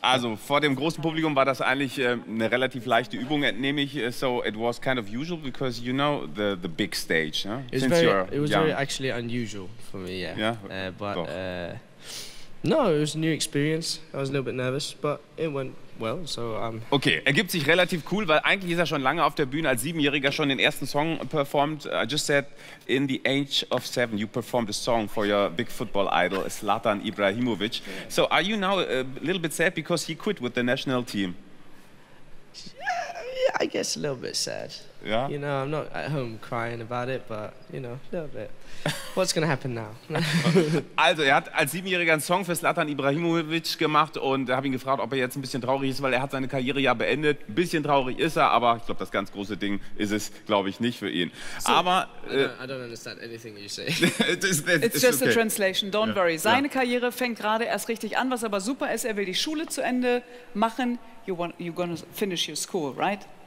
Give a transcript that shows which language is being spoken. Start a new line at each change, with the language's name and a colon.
German: Also vor dem großen Publikum war das eigentlich eine relativ leichte Übung, entnehme ich.
English: So it was kind of usual because you know the big stage. Huh? It was Since very, you're it was young. Very actually unusual for me. Yeah. Yeah. But no, it was a new experience. I was a little bit nervous, but it went well. So
German: okay, ergibt sich relativ cool, weil eigentlich ist er schon lange auf der Bühne als 7-Jähriger schon den ersten Song performt.
English: I just said in the age of 7 you performed a song for your big football idol Zlatan Ibrahimovic. Yeah. So are you now a little bit sad because he quit with the national team? Yeah, I guess a little bit sad. Yeah. You know, I'm not at home crying about it, but you know, a little bit. What's gonna happen now?
German: Also, er hat als 7-Jähriger einen Song für Zlatan Ibrahimovic gemacht und habe ihn gefragt, ob er jetzt ein bisschen traurig ist, weil er hat seine Karriere ja beendet. Ein bisschen traurig ist er, aber ich glaube, das ganz große Ding ist es, glaube ich, nicht für ihn. So, aber
English: I don't understand anything you say. it's just okay. A translation. Don't worry.
German: Seine Karriere fängt gerade erst richtig an, was aber super ist. Er will die Schule zu Ende machen.
English: You're gonna finish your school, right?